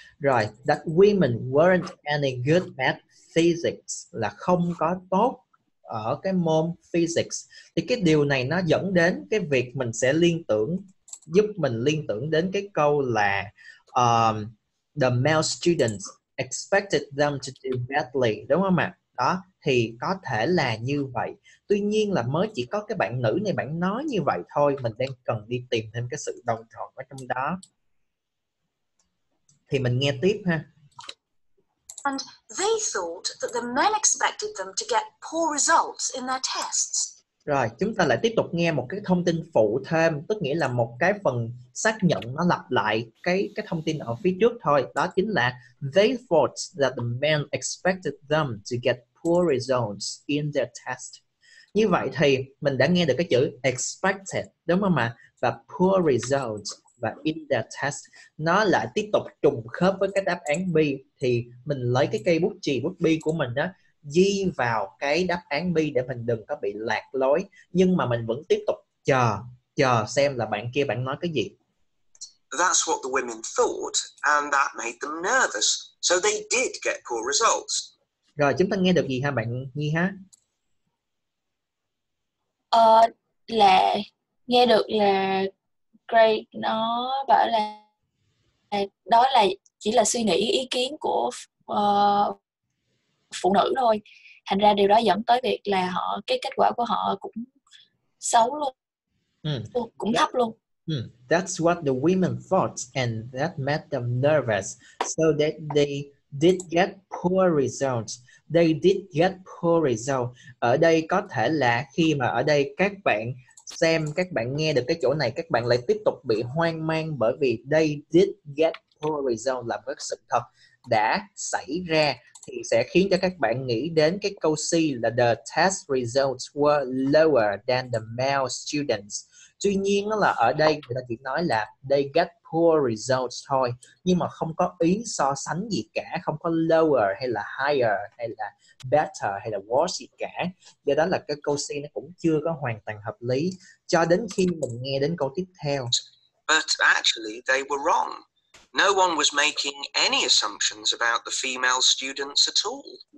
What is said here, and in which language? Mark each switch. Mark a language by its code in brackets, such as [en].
[vi] Rồi, [en] that women weren't any good at physics [vi] là không có tốt ở cái môn physics, thì cái điều này nó dẫn đến cái việc mình sẽ liên tưởng, giúp mình liên tưởng đến cái câu là [en] the male students expected them to do badly, [vi] đúng không ạ? Đó, thì có thể là như vậy. Tuy nhiên là mới chỉ có cái bạn nữ này bạn nói như vậy thôi, mình đang cần đi tìm thêm cái sự đồng thuận ở trong đó. Thì mình nghe tiếp ha. [en] And they thought that the men expected them to get poor results in their tests. [vi] Rồi, chúng ta lại tiếp tục nghe một cái thông tin phụ thêm, tức nghĩa là một cái phần xác nhận nó lặp lại cái thông tin ở phía trước thôi. Đó chính là [en] they thought that the men expected them to get poor results in their test. [vi] Như vậy thì mình đã nghe được cái chữ expected, đúng không ạ? Và [en] poor results [vi] và [en] in their test [vi] nó lại tiếp tục trùng khớp với cái đáp án B, thì mình lấy cái cây bút chì bút bi của mình đó ghi vào cái đáp án B để mình đừng có bị lạc lối, nhưng mà mình vẫn tiếp tục chờ xem là bạn kia bạn nói cái gì. [en] That's what the women thought and that made them nervous, so they did get poor results. [vi] Rồi, chúng ta nghe được gì ha bạn Nhi ha? Là nghe được là Craig nó bảo là đó là chỉ là suy nghĩ ý kiến của phụ nữ thôi, thành ra điều đó dẫn tới việc là họ cái kết quả của họ cũng xấu luôn, cũng thấp luôn. [en] That's what the women thought and that made them nervous, so that they did get poor results. They did get poor results. [vi] Ở đây có thể là khi mà ở đây các bạn xem, các bạn nghe được cái chỗ này, các bạn lại tiếp tục bị hoang mang, bởi vì [en] they did get poor result [vi] là một sự thật đã xảy ra, thì sẽ khiến cho các bạn nghĩ đến cái câu C là [en] the test results were lower than the male students. [vi] Tuy nhiên là ở đây người ta chỉ nói là [en] they get poor results [vi] thôi, nhưng mà không có ý so sánh gì cả, không có lower hay là higher hay là better hay là worse gì cả. Do đó là cái câu C nó cũng chưa có hoàn toàn hợp lý cho đến khi mình nghe đến câu tiếp theo. [en] But actually they were wrong. No one was making any assumptions about the female students at all.